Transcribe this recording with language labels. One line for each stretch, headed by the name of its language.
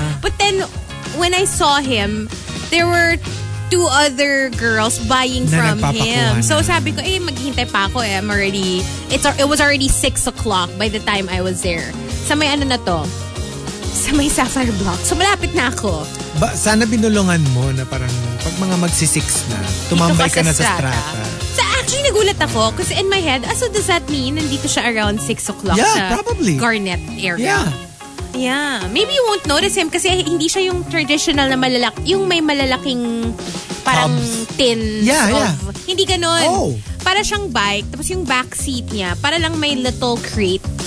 English: But then, when I saw him, there were two other girls buying from him.
Filipino: So sabi ko, maghihintay pa ako eh.
English: I'm already, it was already 6 o'clock by the time I was there.
Filipino: Sa may ano na to? Sa may Sapphire Block. So malapit na ako. Ba, sana binulungan mo na parang pag mga magsi-6 na, tumambay ka na sa strata. So actually, nagulat ako.
English: Because in my head, so does that mean
Filipino: nandito siya
English: around 6 o'clock yeah,
Filipino: sa
English: probably. Garnet area? Yeah. Yeah, maybe you won't notice him
Filipino: kasi hindi siya yung traditional na malalaki, yung may malalaking parang tin.
English: Yeah, yeah.
Filipino: Hindi ganun. Oh. Para siyang bike, tapos yung back seat niya, para lang may
English: little crate.